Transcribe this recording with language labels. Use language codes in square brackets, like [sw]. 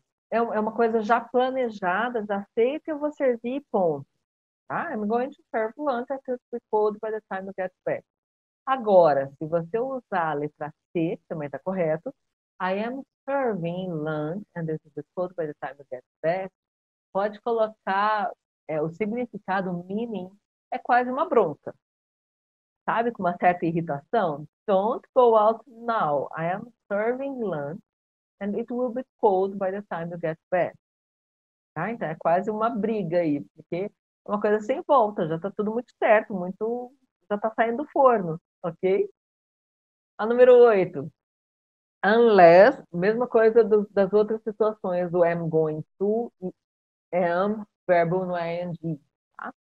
[pt] É uma coisa já planejada, já sei que eu vou servir, ponto. [en] Ah, I'm going to serve lunch until it's cold by the time you get back. [pt] Agora, se você usar a letra C, também está correto. [en] I am serving lunch and it's cold by the time you get back. [pt] Pode colocar o significado meaning é quase uma bronca. Sabe, com uma certa irritação? [en] Don't go out now. I am serving lunch and it will be cold by the time you get back. [pt] Tá? Então é quase uma briga aí, porque uma coisa sem volta, já tá tudo muito certo, muito. Já tá saindo do forno, ok? A número 8. Unless, mesma coisa das outras situações, o am going to e am, verbo no ing, tá?